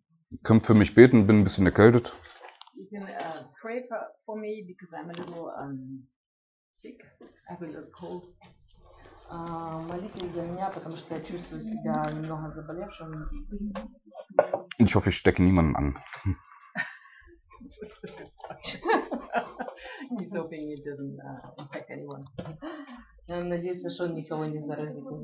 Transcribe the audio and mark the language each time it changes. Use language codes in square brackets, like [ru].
[de] Ich kann für mich beten, bin ein bisschen erkältet. [en] You can pray for me because I'm a little sick. I have a little cold. [ru] Молитесь за меня, потому что я чувствую себя немного заболевшим. [de] Ich hoffe, ich stecke niemanden an. [en] He's hoping it doesn't infect anyone. [ru] Я надеюсь, что никого не заразит.